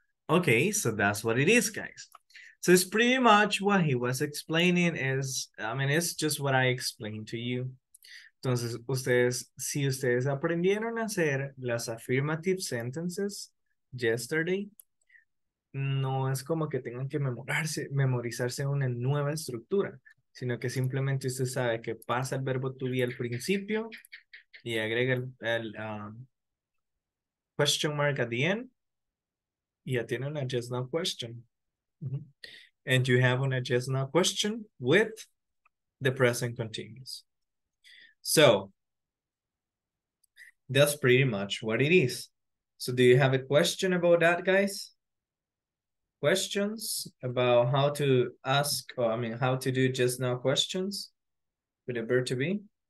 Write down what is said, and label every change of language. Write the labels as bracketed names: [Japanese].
[English] Okay, so that's what it is, guys. So it's pretty much what he was explaining is, I mean, it's just what I explained to you. [Spanish] Entonces, ustedes, si ustedes aprendieron a hacer las [English] affirmative sentences yesterday, [Spanish] no es como que tengan que memorizarse una nueva estructura, sino que simplemente usted sabe que pasa el verbo to be al principio y agrega el [English] question mark at the end. Yeah, [Spanish] tiene una [English] just now question. Mm-hmm. And you have a just now question with the present continuous. So that's pretty much what it is. So do you have a question about that, guys? Questions about how to ask, or I mean, how to do just now questions with a verb to be?